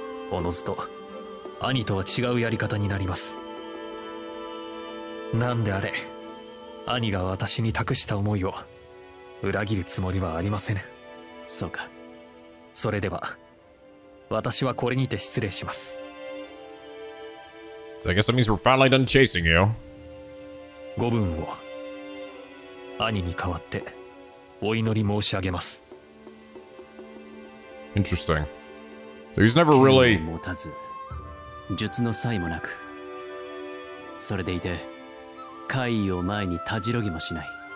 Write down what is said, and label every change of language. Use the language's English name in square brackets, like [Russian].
[Japanese] おのずと兄とは違うやり方になります。なんであれ、兄が私に託した思いを裏切るつもりはありませぬ。そうか。それでは私はこれにて失礼します。 [English] So I guess that means we're finally done chasing you. [Japanese] ご分を、兄に代わってお祈り申し上げます。 [English] Interesting. So he's never really [Japanese] 剣を持たず、術の才もなく、それでいて怪異を前にたじろぎもしない。